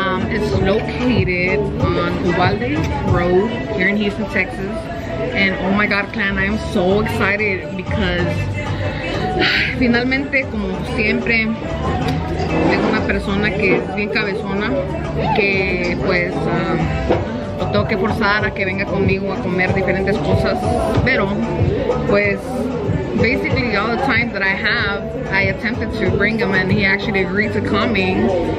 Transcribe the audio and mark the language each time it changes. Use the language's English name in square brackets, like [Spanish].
[English] It's located on Uvalde Road here in Houston, Texas. And oh my God, clan, I am so excited because [Spanish] finalmente, como siempre, tengo una persona que es bien cabezona y que pues lo tengo que forzar a que venga conmigo a comer diferentes cosas. Pero pues [English] basically all the time that I have, I attempted to bring him and he actually agreed to coming.